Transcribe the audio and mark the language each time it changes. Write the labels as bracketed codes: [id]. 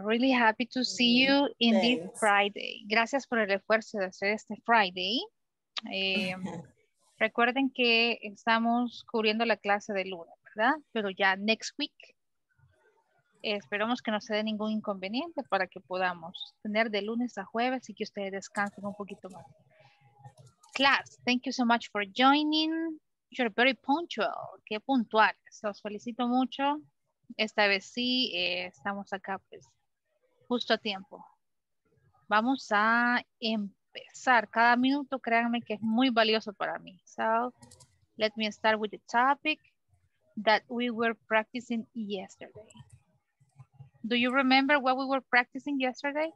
[en] Really happy to see you in this Friday. [es] Gracias por el esfuerzo de hacer este Friday. Recuerden que estamos cubriendo la clase de lunes, ¿verdad? Pero ya [en] next week, [es] esperamos que no se dé ningún inconveniente para que podamos tener de lunes a jueves y que ustedes descansen un poquito más. [en] Class, thank you so much for joining. You're very punctual. [es] Qué puntual. Los felicito mucho. Esta vez sí, estamos acá pues justo a tiempo. Vamos a empezar. Cada minuto, créanme que es muy valioso para mí. [en] So, let me start with the topic that we were practicing yesterday. Do you remember what we were practicing yesterday?